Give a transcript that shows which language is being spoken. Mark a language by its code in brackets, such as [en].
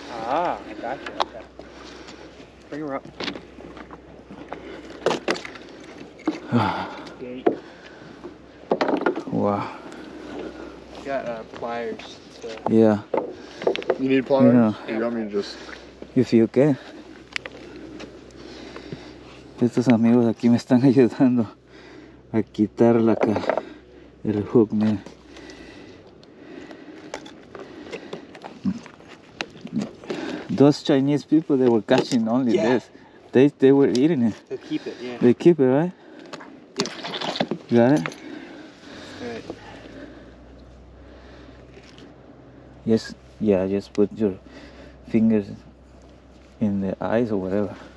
[en] Ah, I got you. Okay. Bring her up. Wow. Got pliers. Yeah. You need pliers? No. You want me to just... If you can. [es] Estos amigos aquí me están ayudando a quitar la el hook, mira. [en] Those Chinese people, they were catching only this. They were eating it. They keep it, yeah. They keep it, right? Yep. Got it? Alright. Yes, yeah, just put your fingers in the eyes or whatever.